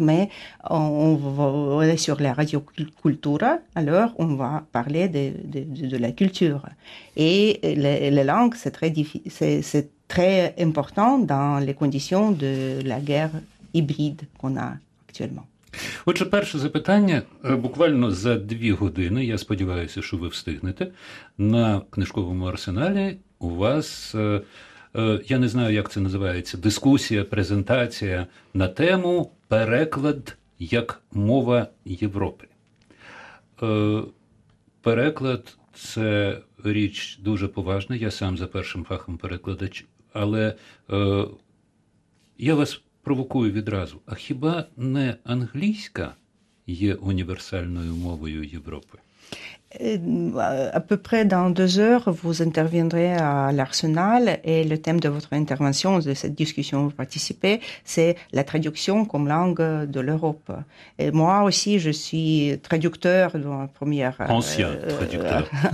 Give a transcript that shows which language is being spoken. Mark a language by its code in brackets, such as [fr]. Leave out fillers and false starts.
[fr] Mais on est sur la radio Cultura, alors on va parler de la culture et les langues. C'est très important dans les conditions de la guerre [uk] гібрид, вона актуально. Отже, перше запитання буквально за 2 години, я сподіваюся, що ви встигнете, на книжковому арсеналі у вас, я не знаю, як це називається, дискусія, презентація на тему «Переклад як мова Європи». Переклад – це річ дуже поважна, я сам за першим фахом перекладач, але я вас провокую відразу. А хіба не англійська є універсальною мовою Європи? [fr] À peu près dans 2 heures, vous interviendrez à l'arsenal et le thème de votre intervention, de cette discussion où vous participez, c'est la traduction comme langue de l'Europe. Et moi aussi, je suis traducteur dans la première ancien traducteur